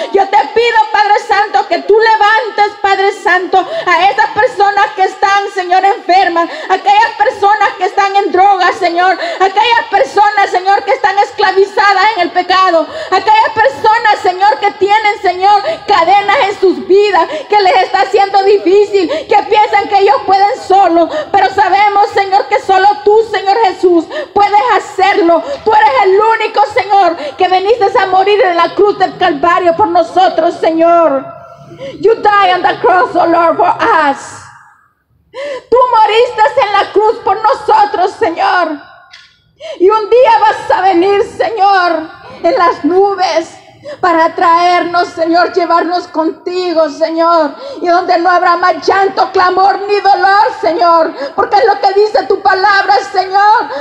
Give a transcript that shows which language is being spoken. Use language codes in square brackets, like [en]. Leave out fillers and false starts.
[es] Yo te pido, Padre Santo, que tú levantes, Padre Santo, a esas personas que están, Señor, enfermas, aquellas personas que están en drogas, Señor, aquellas personas, Señor, que están esclavizadas en el pecado, aquellas personas, Señor, que tienen, Señor, cadenas en sus vidas, que les está haciendo difícil, que piensan que ellos pueden solo, pero sabemos, Señor, que solo tú, Señor Jesús, puedes hacerlo. Tú eres el único, Señor, que viniste a morir en la cruz del Calvario por nosotros, Señor. [en] You died on the cross, oh Lord, for us. [es] Tú moriste en la cruz por nosotros, Señor. Y un día vas a venir, Señor, en las nubes, para traernos, Señor, llevarnos contigo, Señor, y donde no habrá más llanto, clamor ni dolor, Señor, porque es lo que dice tu palabra, Señor.